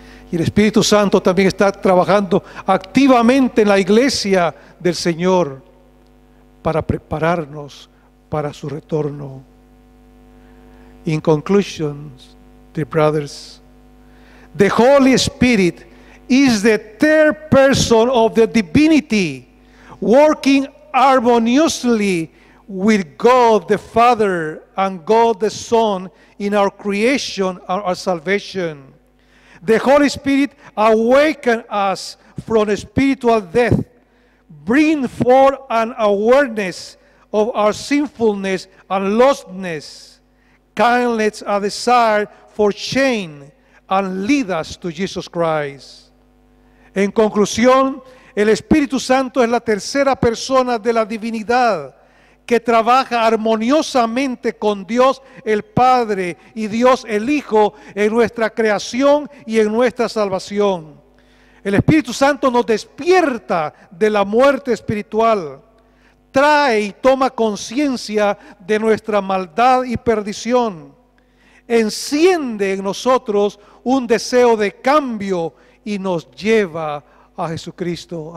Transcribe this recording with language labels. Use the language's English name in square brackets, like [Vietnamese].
[Spanish] Y el Espíritu Santo también está trabajando activamente en la iglesia del Señor para prepararnos para su retorno. [English] In conclusion, dear brothers, the Holy Spirit is the third person of the divinity working harmoniously with God the Father and God the Son in our creation and our salvation. The Holy Spirit awakens us from spiritual death, bring forth an awareness of our sinfulness and lostness, kindness a desire for change, and lead us to Jesus Christ. [Spanish] En conclusión, el Espíritu Santo es la tercera persona de la divinidad que trabaja armoniosamente con Dios el Padre y Dios el Hijo en nuestra creación y en nuestra salvación. El Espíritu Santo nos despierta de la muerte espiritual, trae y toma conciencia de nuestra maldad y perdición, enciende en nosotros un deseo de cambio y nos lleva a Jesucristo.